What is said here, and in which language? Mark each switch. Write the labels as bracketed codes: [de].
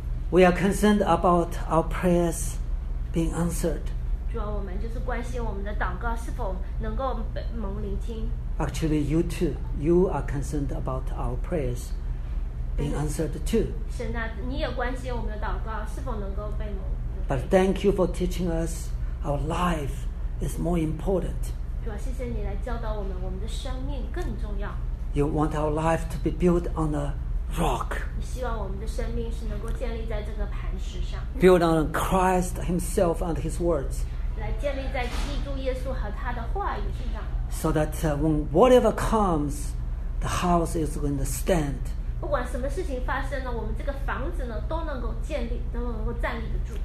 [en] We are concerned about our prayers being answered. [zh] 主啊，我们就是关心我们的祷告是否能够蒙聆听。 [en] Actually, you too. You are concerned about our prayers being answered too. [zh] 神啊，你也关心我们的祷告是否能够被蒙。 [en] But thank you for teaching us our life is more important. [zh] 主啊，谢谢你来教导我们，我们的生命更重要。 [en] You want our life to be built on a rock. [zh] 你希望我们的生命是能够建立在这个磐石上。 [en] Build on Christ Himself and His words. [zh] 来建立在基督耶稣和他的话语上。 [en] So that when whatever comes, the house is going to stand. [zh] 不管什么事情发生呢，我们这个房子呢都能够建立，都能够站立得住。